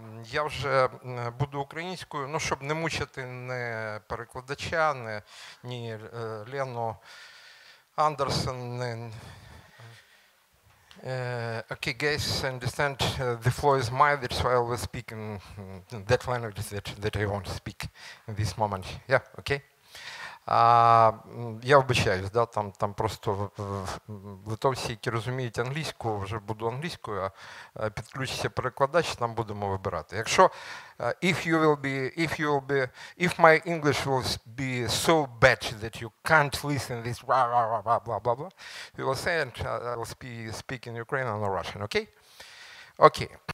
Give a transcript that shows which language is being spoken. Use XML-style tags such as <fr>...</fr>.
<uk>Я вже буду українською, ну, щоб не мучити ні перекладача, ні Лену Андерсен, ні...</uk> <en>okay, guys, understand the floor is mine, that's why I always speak in that language that I want to speak in this moment. Yeah, okay.</en> <uk>Я вибачаюсь, да, там просто литовці, які розуміють англійську, вже буду англійською, а підключиться перекладач, там будемо вибирати. Якщо</uk> <en>if my English will be so bad that you can't listen this blah blah blah blah blah blah blah, you will say and I'll speak in Ukrainian or Russian, okay? Okay.</en>